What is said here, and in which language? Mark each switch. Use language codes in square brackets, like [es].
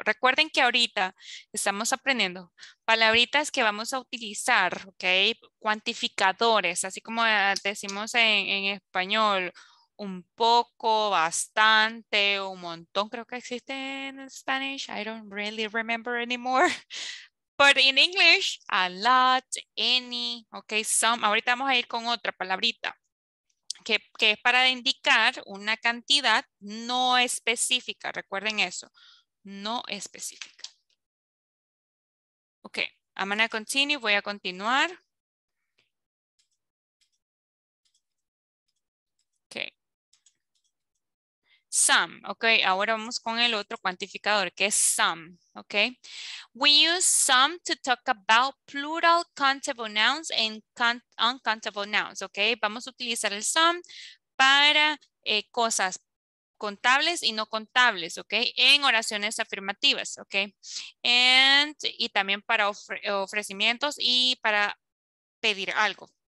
[es] Recuerden que ahorita estamos aprendiendo palabritas que vamos a utilizar, ¿ok? Cuantificadores, así como decimos en español, un poco, bastante, un montón, creo que existe en Spanish. [en] I don't really remember anymore. But in English, a lot, any, ok, some. [es] Ahorita vamos a ir con otra palabrita que es para indicar una cantidad no específica. Recuerden eso, no específica. [en] Ok, I'm going to continue, [es] voy a continuar. Ok. Some, okay, ahora vamos con el otro cuantificador, que es some, okay. [en] We use some to talk about plural countable nouns and uncountable nouns, okay. [es] Vamos a utilizar el some para cosas contables y no contables, okay, en oraciones afirmativas, okay. And, y también para ofrecimientos y para pedir algo.